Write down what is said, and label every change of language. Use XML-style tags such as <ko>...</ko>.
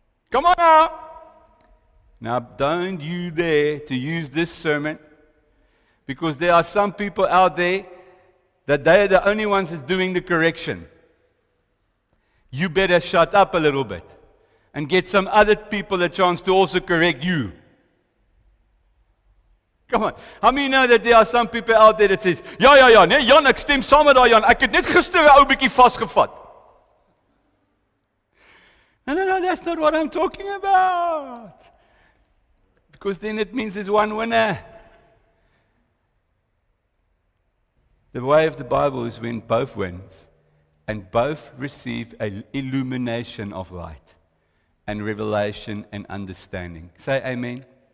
<en>Come on now. Now, don't you dare to use this sermon, because there are some people out there that they are the only ones that's doing the correction. You better shut up a little bit and get some other people a chance to also correct you. Come on. How many know that there are some people out there that says,</en> <af>ja, ja, ja, nee, Jan, ek stem saam met daai Jan. Ek het net gister 'n ou bietjie vasgevat.</af> <en>No, no, no, that's not what I'm talking about. Because then it means there's one winner. The way of the Bible is when both wins and both receive an illumination of light and revelation and understanding. Say amen.</en>